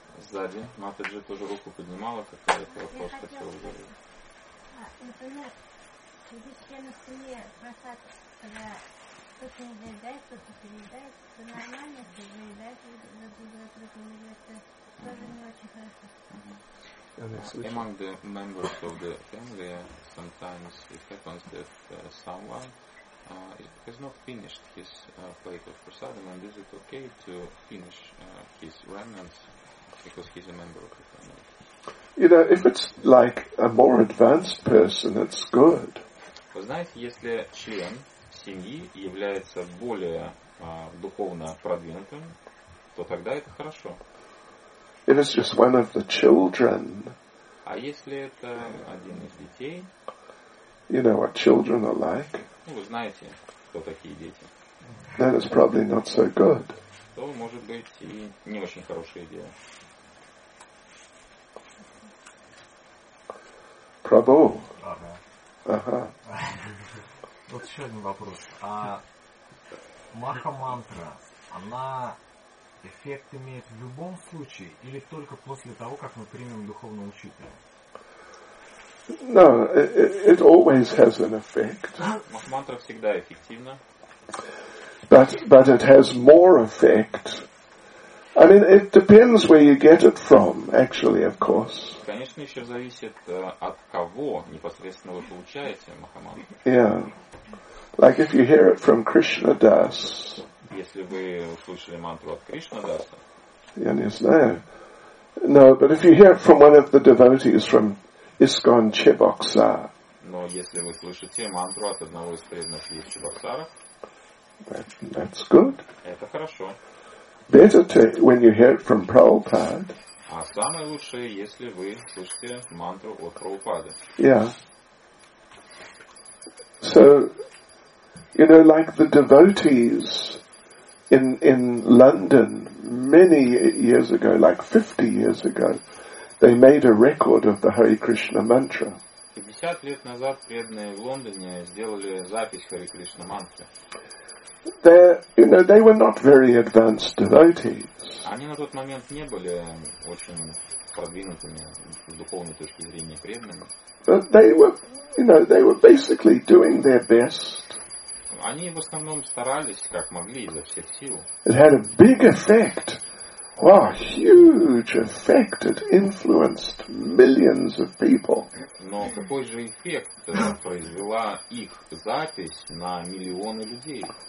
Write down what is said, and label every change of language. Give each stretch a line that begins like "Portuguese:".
Russian: Сзади Mataji тоже руку поднимала, как я этот вопрос хотел задать. Например, если я на стене бросаю, когда кто-то не заедает, кто-то переедает, то нормально, если заедает, за другой вопрос не заедает, то тоже не очень хорошо.
English: Among the members of the family, sometimes it happens that someone has not finished his plate of prasadam, and is it okay to finish his remnants because he's a member of the family? You know, if it's like a more advanced person, it's good.
Russian: Вы знаете, если член семьи является более духовно продвинутым, то тогда это хорошо.
English: If it's just one of the children.
Russian: А если это один из детей?
English: You know what children are like.
Russian: Ну, вы знаете, кто такие дети.
English: Then it's probably not so good.
Russian: То, может быть, и не очень хорошая идея. Прабу. Вот еще один вопрос. А маха-мантра, она эффект имеет в любом случае или только после того, как мы примем духовного учителя?
English: No, it always has an effect.
Russian: Махмантра всегда эффективна.
English: But it has more effect. I mean, it depends where you get it from, actually, of course.
Russian: Конечно, еще зависит от кого непосредственно вы получаете махамантру.
English: Yeah. Like if you hear it from Krishna Das.
Russian: Если вы услышали мантру от Кришна Даса. Я не знаю.
English: No, but if you hear it from one of the devotees from ISKCON Chebokshar.
Russian: Но если вы слышите мантру от одного из преданных из Чебоксара,
English: that's good.
Russian: Это хорошо.
English: Better to when you hear it from Prabhupada.
Russian: А самое лучшее, если вы слышите мантру от Прабхупады.
English: Yeah. So, you know, like the devotees in London many years ago, like 50 years ago, they made a record of the Hare Krishna mantra.
Russian: 50 лет назад преданные в Лондоне сделали запись Hare Krishna mantra.
English: They, you know, they were not very advanced devotees.
Russian: Они на тот момент не были очень продвинутыми с духовной точки зрения преданными.
English: But they were, you know, they were basically doing their best.
Russian: Они в основном старались как могли изо всех сил.
English: It had a big effect. Wow, huge effect! It influenced millions of people.
Russian: Но какой же эффект произвела их запись на миллионы людей?